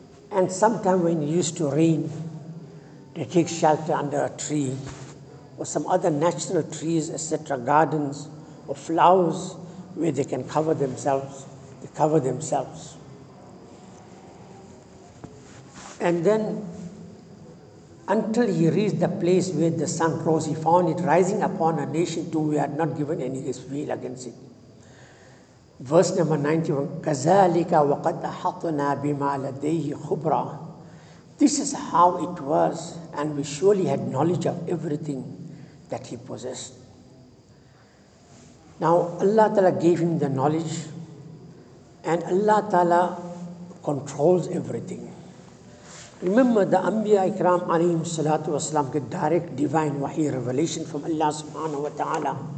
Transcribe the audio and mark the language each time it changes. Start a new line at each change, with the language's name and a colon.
English: And sometime when it used to rain, they take shelter under a tree or some other natural trees, etc., gardens or flowers where they can cover themselves. They cover themselves. And then until he reached the place where the sun rose, he found it rising upon a nation to whom we had not given any veil against it. Verse number 91,
Arabic: كَذَلِكَ وَقَدْ أَحَطْنَا بِمَا لَدَيْهِ خُبْرًا.
English: This is how it was, and we surely had knowledge of everything that he possessed. Now Allah Ta'ala gave him the knowledge, and Allah Ta'ala controls everything. Remember, the Anbiya Ikram alayhim salatu wasalam get direct divine wahi revelation from Allah subhanahu wa ta'ala.